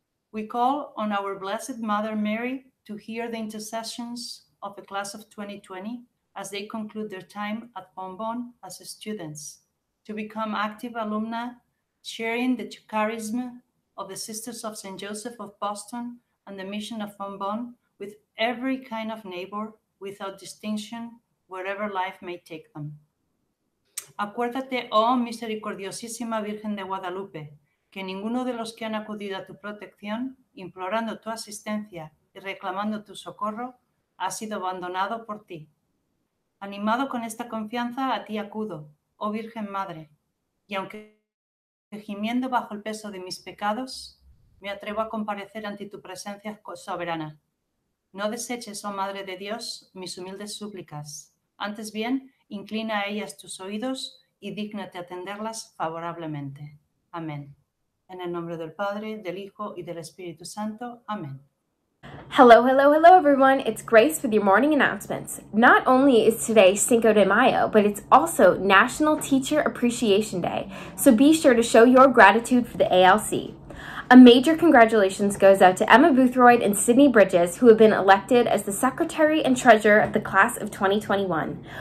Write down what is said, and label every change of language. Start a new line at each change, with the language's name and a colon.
English: We call on our Blessed Mother Mary to hear the intercessions of the class of 2020 as they conclude their time at Fontbonne as students, to become active alumna, sharing the charism of the Sisters of St. Joseph of Boston and the mission of Fontbonne with every kind of neighbor without distinction, wherever life may take them.
Spanish: Acuérdate, oh misericordiosísima Virgen de Guadalupe, que ninguno de los que han acudido a tu protección, implorando tu asistencia y reclamando tu socorro, ha sido abandonado por ti. Animado con esta confianza, a ti acudo, oh Virgen Madre, y aunque gimiendo bajo el peso de mis pecados, me atrevo a comparecer ante tu presencia soberana. No deseches, oh Madre de Dios, mis humildes súplicas. Antes bien, inclina a ellas tus oídos y dígnate atenderlas favorablemente. Amén. En el nombre del Padre, del Hijo, y del Espíritu Santo. Amén.
English: Hello, hello, hello, everyone. It's Grace with your morning announcements. Not only is today Cinco de Mayo, but it's also National Teacher Appreciation Day. So be sure to show your gratitude for the ALC. A major congratulations goes out to Emma Boothroyd and Sydney Bridges, who have been elected as the Secretary and Treasurer of the Class of 2021.